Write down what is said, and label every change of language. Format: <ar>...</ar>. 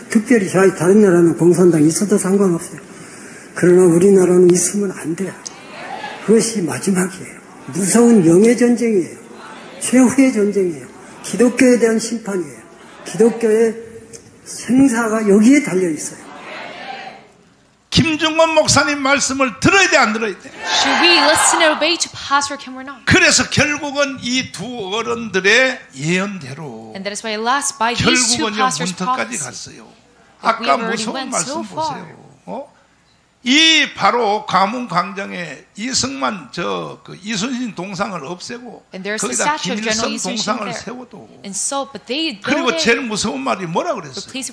<ko>특별히 좌익 다른 나라는 공산당 있어도 상관없어요. 그러나 우리나라는 있으면 안 돼요. 그것이 마지막이에요. 무서운 명예전쟁이에요. 최후의 전쟁이에요. 기독교에 대한 심판이에요. 기독교의 생사가 여기에 달려있어요. 김종원 목사님 말씀을 들어야 돼 안 들어야 돼?</ko> <en>Should we listen and obey to Pastor Kim or not?</en> <ko>그래서 결국은 이 두 어른들의 예언대로</ko> <en>And that is why last by these two pastors</en> <ko>결국은 문턱까지 갔어요. 아까 무서운 말씀 보세요. 이 바로 광화문 광장에 이승만 저 그 이순신 동상을 없애고 거기다 김일성 동상을 세워도 그리고 제일 무서운 말이 뭐라 그랬어요?</ko>